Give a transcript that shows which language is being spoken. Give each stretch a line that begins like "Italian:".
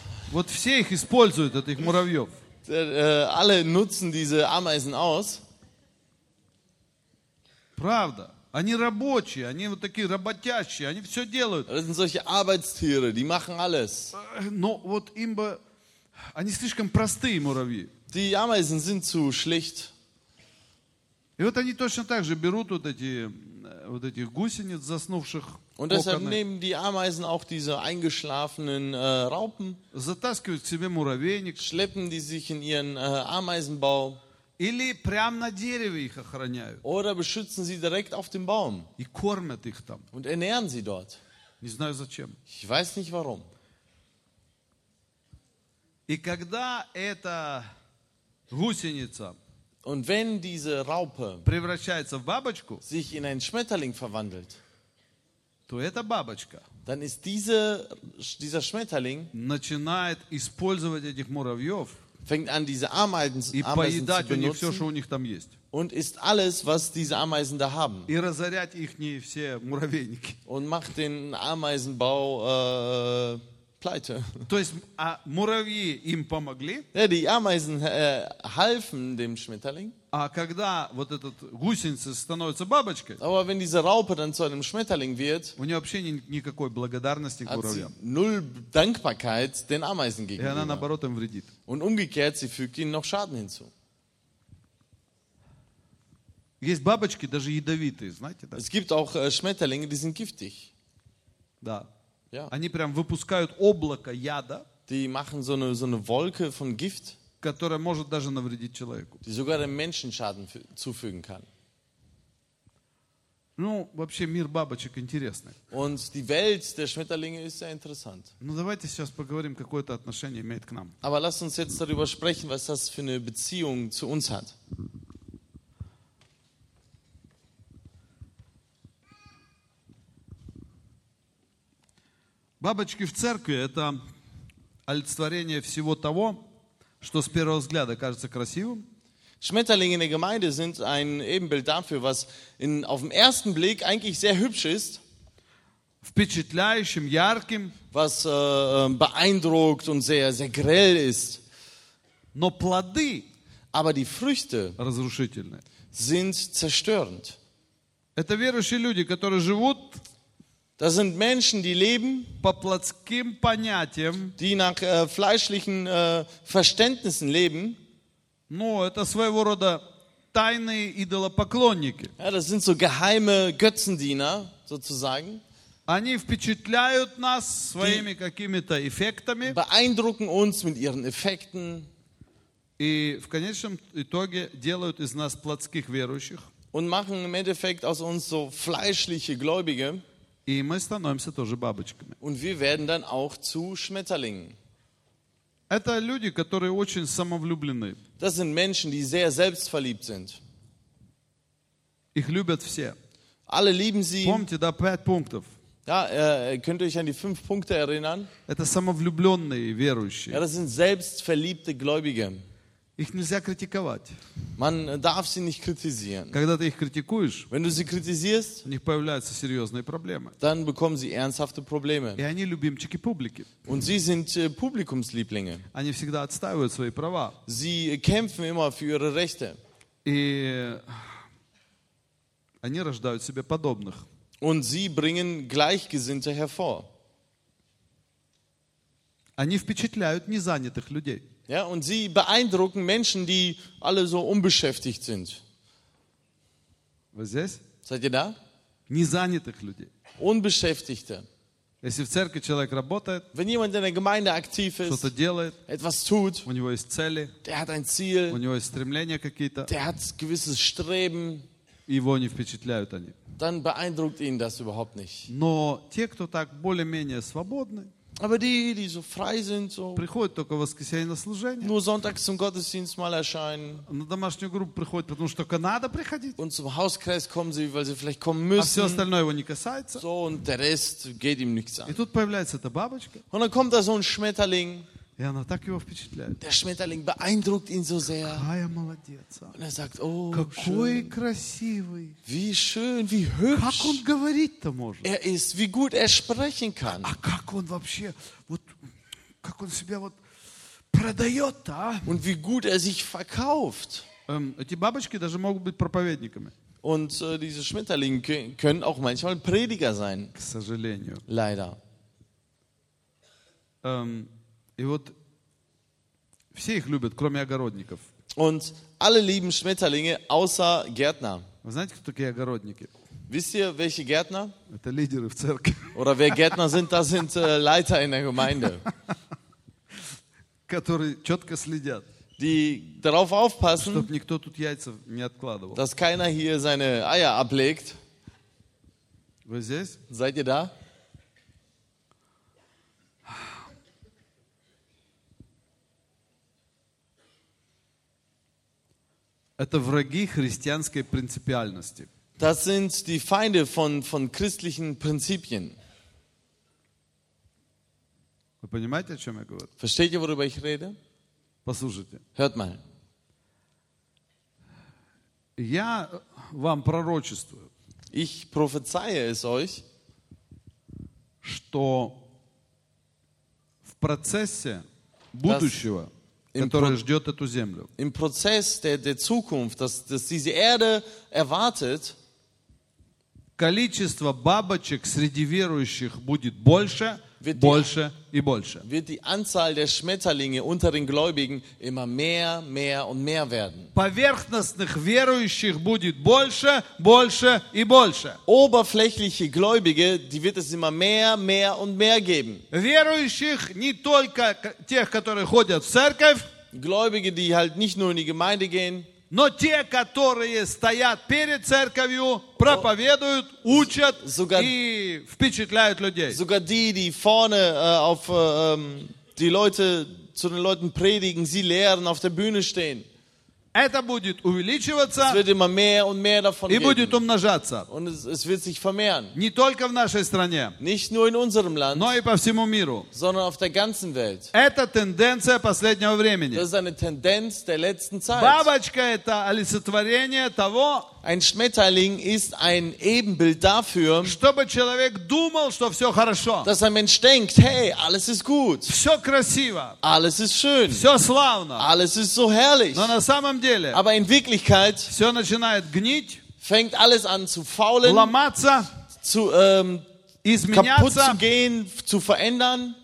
Russian: вот все их используют, этих муравьев.
German: Alle nutzen diese Ameisen aus.
Russian: Правда. Они рабочие, они вот такие работящие, они все делают.
German: Das sind solche Arbeitstiere, die machen alles.
Russian: Но вот им бы... Они слишком простые муравьи.
German: Die Ameisen sind zu schlicht.
Russian: И вот они точно так же берут вот этих гусениц, заснувших.
German: Und deshalb nehmen die Ameisen auch diese eingeschlafenen Raupen,
Russian: затаскивают себе муравейник,
German: schleppen die sich in ihren Ameisenbau,
Russian: или прямо на дереве их охраняют,
German: oder beschützen sie direkt auf dem Baum,
Russian: и кормят их там,
German: und ernähren sie dort.
Russian: Не знаю зачем.
German: Ich weiß nicht warum.
Russian: И когда эта гусеница,
German: und wenn diese Raupe
Russian: превращается в бабочку,
German: sich in einen Schmetterling verwandelt,
Russian: то эта бабочка,
German: dann ist dieser Schmetterling,
Russian: начинает использовать этих муравьев,
German: fängt an, diese Ameisen
Russian: и поедать у них все, что у них там есть,
German: und ist alles, was diese Ameisen da haben,
Russian: и разорять их не все муравейники,
German: und macht den Ameisenbau pleite.
Russian: То есть муравьи им помогли,
German: ja, die Ameisen halfen dem Schmetterling.
Russian: А когда вот этот гусеница становится бабочкой,
German: aber wenn diese Raupe dann zu einem Schmetterling wird,
Russian: у нее вообще никакой благодарности к муравьям.
German: Null Dankbarkeit den Ameisen gegenüber.
Russian: И она наоборот им вредит.
German: Und umgekehrt, sie fügt ihnen noch Schaden hinzu.
Russian: Есть бабочки даже ядовитые, знаете, да?
German: Es gibt auch Schmetterlinge, die sind giftig.
Russian: Да.
German: Ja.
Russian: Они прям выпускают облако яда.
German: Die machen so eine Wolke von Gift,
Russian: которая может даже навредить человеку.
German: Die sogar dem Menschen Schaden zufügen kann.
Russian: Ну, вообще мир бабочек интересный.
German: Und die Welt der Schmetterlinge ist sehr interessant.
Russian: Ну, давайте сейчас поговорим, какое это отношение имеет к нам.
German: Aber lass uns jetzt darüber sprechen, was das für eine Beziehung zu uns hat.
Russian: Бабочки в церкви – это олицетворение всего того, что с первого взгляда кажется красивым.
German: Schmetterlinge in der Gemeinde sind ein Ebenbild dafür, was in, auf den ersten Blick eigentlich sehr hübsch ist,
Russian: впечатляющим, ярким,
German: was beeindruckt und sehr, sehr grell ist.
Russian: Но плоды,
German: aber die Früchte,
Russian: разрушительны,
German: sind zerstörend.
Russian: Это верующие люди, которые живут,
German: das sind Menschen, die leben,
Russian: по плотским понятиям,
German: die nach fleischlichen Verständnissen leben.
Russian: Ну, это своего рода тайные идолопоклонники.
German: Ja, das sind so geheime Götzendiener, sozusagen.
Russian: Они впечатляют нас своими какими-то эффектами.
German: Beeindrucken uns mit ihren Effekten.
Russian: И в конечном итоге делают из нас плотских верующих.
German: Und machen im Endeffekt aus uns so fleischliche Gläubige.
Russian: И мы становимся тоже бабочками.
German: Und wir werden dann auch zu Schmetterlingen.
Russian: Это люди, которые очень самовлюблены.
German: Das sind Menschen, die sehr selbstverliebt sind.
Russian: Их любят все.
German: Alle lieben sie.
Russian: Помните, да, 5 пунктов.
German: Ja, könnt ihr euch an die 5 Punkte erinnern?
Russian: Это самовлюбленные верующие.
German: Ja, das sind selbstverliebte Gläubige.
Russian: Их нельзя критиковать.
German: Man darf sie nicht kritisieren.
Russian: Когда ты их критикуешь,
German: wenn du sie kritisierst,
Russian: у них появляются серьезные проблемы.
German: Dann bekommen sie ernsthafte Probleme.
Russian: И они любимчики публики.
German: Und sie sind Publikumslieblinge.
Russian: Они всегда отстаивают свои права.
German: Sie kämpfen immer für ihre Rechte.
Russian: И они рождают себе подобных.
German: Und sie bringen Gleichgesinnte hervor.
Russian: Они впечатляют незанятых людей.
German: Ja, und sie beeindrucken Menschen, die alle so unbeschäftigt sind. Was ist das? Seid ihr da?
Russian: Незанятых людей.
German: Unbeschäftigte.
Russian: Если в церкви человек работает,
German: wenn jemand in der Gemeinde aktiv ist,
Russian: что-то делает,
German: etwas tut,
Russian: у него есть цели,
German: der hat ein Ziel,
Russian: у него есть стремления какие-то,
German: der hat gewisses Streben,
Russian: его не впечатляют они.
German: Dann beeindruckt ihn das überhaupt nicht.
Russian: Но те, кто так более-менее свободны,
German: aber die so frei sind, so
Russian: приходят только в воскресенье на служение,
German: nur sonntags zum Gottesdienst mal erscheinen,
Russian: на домашнюю группу приходят, потому что только надо приходить,
German: und zum Hauskreis kommen sie, weil sie vielleicht kommen müssen,
Russian: а все остальное его не касается,
German: so, und der Rest geht ihm nichts an.
Russian: И тут появляется эта бабочка,
German: und dann kommt da so ein Schmetterling,
Russian: и она так его впечатляет,
German: der Schmetterling beeindruckt ihn so sehr,
Russian: какая молодец,
German: und er sagt, oh,
Russian: какой
German: schön,
Russian: красивый,
German: wie schön, wie hübsch,
Russian: как он говорит-то может,
German: er ist, wie gut er sprechen kann,
Russian: а как он вообще, вот, как он себя вот продает, а?
German: Und wie gut er sich verkauft.
Russian: Эти бабочки даже могут быть проповедниками.
German: Und diese Schmetterlinge können auch manchmal Prediger sein.
Russian: К сожалению.
German: Leider.
Russian: И вот все их любят, кроме огородников.
German: Und alle lieben Schmetterlinge, außer Gärtner.
Russian: Вы знаете, кто такие огородники?
German: Wisst ihr, welche Gärtner?
Russian: Это лидеры в церкви.
German: Oder wer Gärtner sind, das sind Leiter in der Gemeinde.
Russian: Которые четко следят.
German: Die darauf aufpassen,
Russian: чтобы никто тут яйца не откладывал.
German: Dass keiner hier seine Eier ablegt.
Russian: Вы здесь?
German: Seid ihr da?
Russian: Это враги христианской принципиальности.
German: Das sind die Feinde von christlichen Prinzipien.
Russian: Вы понимаете, о чем я говорю?
German: Versteht ihr, worüber ich rede?
Russian: Послушайте.
German: Hört mal.
Russian: Я вам пророчествую.
German: Ich prophezeie es euch,
Russian: что в процессе будущего, ждет эту землю,
German: im Prozess der Zukunft, dass diese Erde erwartet,
Russian: количество бабочек среди верующих будет больше, больше и больше.
German: Wird die Anzahl der Schmetterlinge unter den Gläubigen immer mehr, mehr und mehr werden.
Russian: Поверхностных верующих будет больше, больше и больше.
German: Oberflächliche Gläubige, die wird es immer mehr, mehr und mehr geben.
Russian: Верующих не только тех, которые ходят в церковь,
German: Gläubige, die halt nicht nur in die Gemeinde gehen,
Russian: но те, которые стоят перед церковью, проповедуют, учат и впечатляют людей.
German: Sogar die vorne auf die Leute zu den Leuten predigen, sie lehren, auf der Bühne stehen.
Russian: Это будет увеличиваться.
German: Es wird immer mehr und mehr davon geben.
Russian: И будет умножаться.
German: Und es wird sich vermehren.
Russian: Не только в нашей стране.
German: Nicht nur in unserem Land.
Russian: Но и по всему миру.
German: Sondern auf der ganzen Welt.
Russian: Это тенденция последнего времени.
German: Das ist eine Tendenz der letzten Zeit.
Russian: Бабочка – это олицетворение того.
German: Ein Schmetterling ist ein Ebenbild dafür.
Russian: Чтобы человек думал, что все хорошо.
German: Dass ein Mensch denkt, hey, alles ist gut.
Russian: Все красиво.
German: Alles ist schön.
Russian: Все славно.
German: Alles ist so herrlich.
Russian: Но на самом деле.
German: Aber in Wirklichkeit.
Russian: Все начинает гнить.
German: Fängt alles an zu faulen.
Russian: Ломаться.
German: Zu
Russian: изменяться.
German: Kaputt zu gehen, zu verändern.